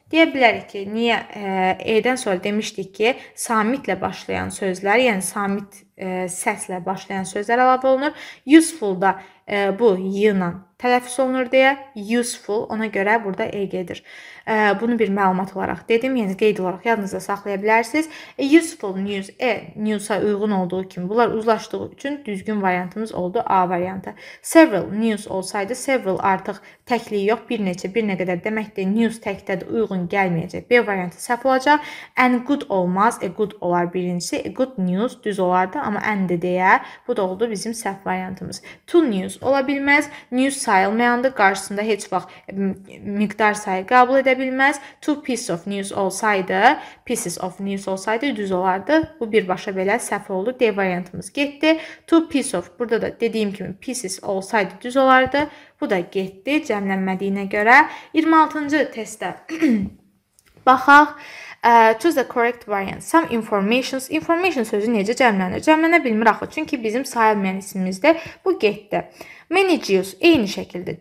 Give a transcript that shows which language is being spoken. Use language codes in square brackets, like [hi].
[az] Deyə bilərik ki, niyə E-dən sonra demişdik ki, samitlə başlayan sözlər, yəni samit səslə başlayan sözlər əlavə olunur. Useful da bu y-la tələffüz olunur deyə, useful ona görə burada E-gedir. Bunu bir məlumat olaraq dedim, yəni qeyd olaraq yadınızda saxlaya bilərsiniz. Useful news, news-a uyğun olduğu kimi, bunlar uzlaşdığı üçün düzgün variantımız oldu A variantı. Several news olsaydı, several artıq təkliyi yox, bir neçə, bir nə qədər deməkdir, news təkdə də uyğun gəlməyəcək. B variantı səhv olacaq, and good olmaz, good olar birincisi, good news düz olardı, amma and deyə bu da oldu bizim səhv variantımız. To news ola bilməz, news sayılmayandı, qarşısında heç vaxt miqdar sayı qəbul edə bilməz. [en] Two pieces of news [az] olsaydı, pieces of news olsaydı düz olardı. Bu birbaşa belə səhv oldu. D variantımız getdi. Two pieces of, burada da dediyim kimi pieces olsaydı düz olardı. Bu da getdi cəmlənmədiyinə görə. 26-cı testdə baxaq. [en] Choose the correct variant. Some informations. [az] Information sözü necə cəmlənir? Cəmlənə bilmir axı. Çünki bizim sayılmayan isimimizdə bu getdi. [en] Many Jews. [az] Eyni şəkildə.